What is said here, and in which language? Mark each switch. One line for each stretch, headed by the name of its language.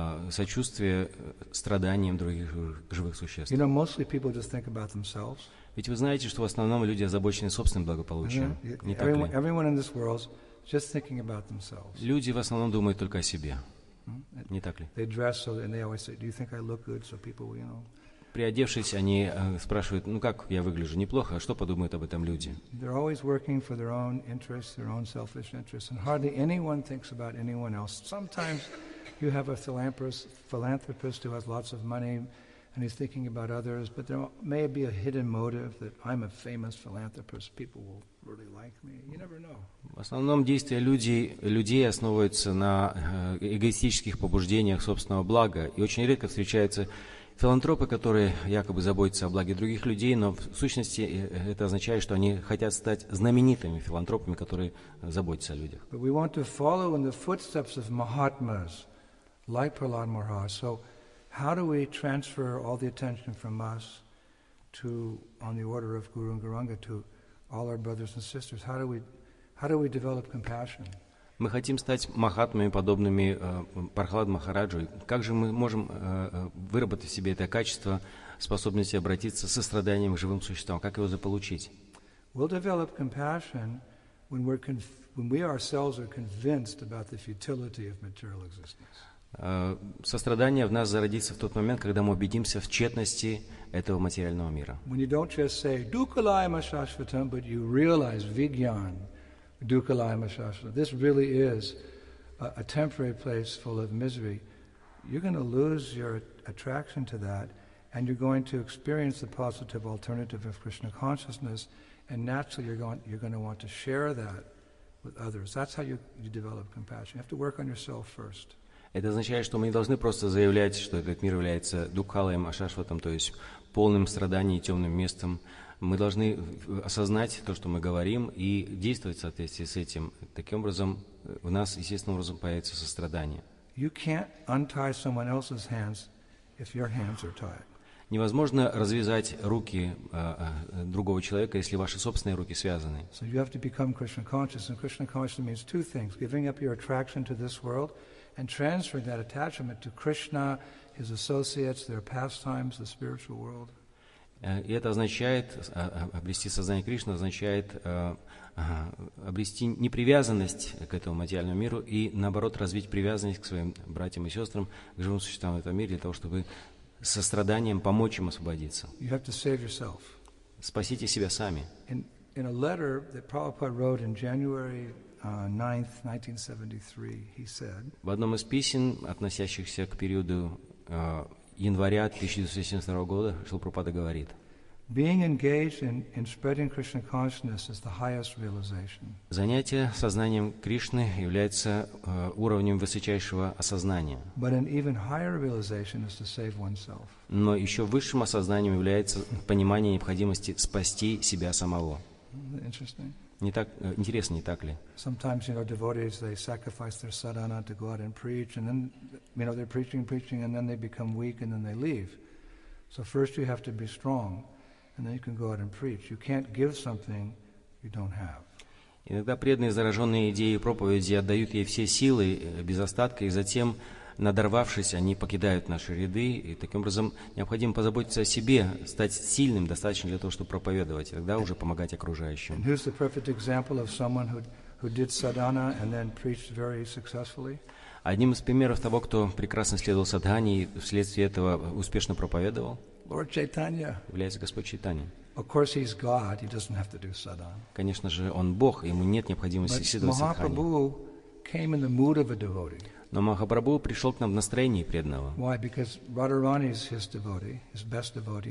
Russian: Сочувствие страданиям других живых существ.
English: You know, mostly people just think about themselves.
Russian: Ведь вы знаете, что в основном люди озабочены собственным благополучием, не так ли?
English: Everyone in this world is just thinking about themselves.
Russian: Люди в основном думают только о себе, не так ли?
English: They dress so, and they always say, "Do you think I look good?" So people, you know.
Russian: Приодевшись, они спрашивают: "Ну как я выгляжу? Неплохо? Что подумают об этом люди?"
English: They're always working for their own interests, their own selfish interests, and hardly anyone thinks about anyone else. Sometimes you have a philanthropist who has lots of money. And he's thinking about others, but there may be a hidden motive that I'm a famous philanthropist, people will really like me. You never know.
Russian: В основном действия людей основываются на эгоистических побуждениях собственного блага, и очень редко встречаются филантропы, которые якобы заботятся о благе других людей, но в сущности это означает, что они хотят стать знаменитыми филантропами, которые заботятся о людях.
English: But we want to follow in the footsteps of Mahatmas, like Prahlad Maharaj. So how do we transfer all the attention from us to, on the order of Guru and Gauranga, to all our brothers and sisters? How do we develop compassion?
Russian: Мы хотим стать махатмами, подобными Прахлад Махараджу. Как же мы можем выработать в себе это качество, способности обратиться со страданием к живым существам? Как его заполучить?
English: We'll develop compassion when we ourselves are convinced about the futility of material existence.
Russian: Сострадание в нас зародится в тот момент, когда мы убедимся в тщетности этого материального мира.
English: When you don't just say dukkhalayam ashashvatam, but you realize vigyan dukkhalayam ashashvatam, this really is a temporary place full of misery, you're going to lose your attraction to that, and you're going to experience the positive alternative of Krishna consciousness, and naturally you're going to want to share that with others. That's how you develop compassion. You have to work on yourself first.
Russian: Это означает, что мы не должны просто заявлять, что этот мир является дукхалаем, ашашватом, то есть полным страданий и темным местом. Мы должны осознать то, что мы говорим, и действовать в соответствии с этим. Таким образом, в нас естественным образом появится сострадание.
English: You can't untie someone else's hands if your hands are tied.
Russian: Невозможно развязать руки другого человека, если ваши собственные руки связаны.
English: So you have to become Krishna conscious, and Krishna consciousness means two things: giving up your attraction to this world and transferring that attachment to Krishna, his associates, their pastimes, the spiritual world.
Russian: И это означает, обрести сознание Кришны означает обрести непривязанность к этому материальному миру и, наоборот, развить привязанность к своим братьям и сестрам, к живым существам в этом мире, для того, чтобы состраданием помочь им освободиться.
English: You have to save yourself.
Russian: Спасите себя сами.
English: In a letter that Prabhupada wrote in January 9th, 1973, he said.
Russian: В одном из писем, относящихся к периоду января 1972 года, Шрила Прабхупада говорит:
English: Being engaged in spreading Krishna consciousness is the highest realization.
Russian: Занятие сознанием Кришны является уровнем высочайшего осознания.
English: But an even higher realization is to save oneself.
Russian: Но еще высшим осознанием является понимание необходимости спасти себя самого.
English: Interesting.
Russian: Не так интересно, не так ли?
English: Sometimes, you know, devotees, they sacrifice their sadhana to go out and preach, and then, you know, they're preaching, and then they become weak, and then they leave. So first you have to be strong, and then you can go out and preach. You can't give something you don't have.
Russian: Иногда преданные, зараженные идеей проповеди, отдают ей все силы без остатка, и затем, надорвавшись, они покидают наши ряды, и таким образом необходимо позаботиться о себе, стать сильным достаточно для того, чтобы проповедовать, и тогда уже помогать окружающим.
English: And who's the perfect example of someone who did sadhana and then preached very successfully?
Russian: Одним из примеров того, кто прекрасно следовал садхане и вследствие этого успешно проповедовал,
English: Lord Chaitanya.
Russian: Является Господь Чайтанья.
English: Of course, he's God. He doesn't have to do sadhana.
Russian: Конечно же, он Бог, ему нет необходимости следовать садхане.
English: But Mahaprabhu came in the mood of a devotee.
Russian: Но Махапрабху пришел к нам в настроении преданного.
English: Why? Because Radharani is his devotee, his best devotee.